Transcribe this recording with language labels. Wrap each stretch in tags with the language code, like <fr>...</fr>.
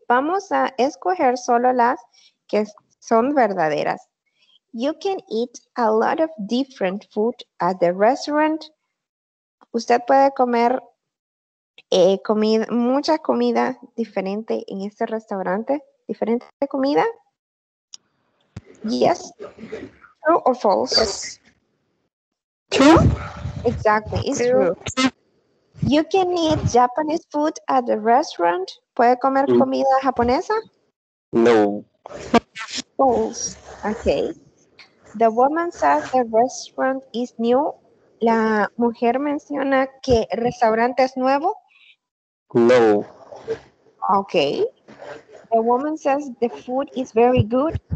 <es>Vamos a escoger solo las que son verdaderas.</es> <en>You can eat a lot of different food at the restaurant.</en> <es>Usted puede comer mucha comida diferente en este restaurante. ¿Diferente comida?</es> <en>Yes. True or false? Yes. True? Exactly. It's true. You can eat Japanese food at the restaurant.</en> <es>¿Puede comer comida japonesa? No.</es> <en>False. Okay. The woman says the restaurant is new.</en> <es>¿La mujer menciona que el restaurante es nuevo? No.</es> <en>Okay. The woman says the food is very good.</en>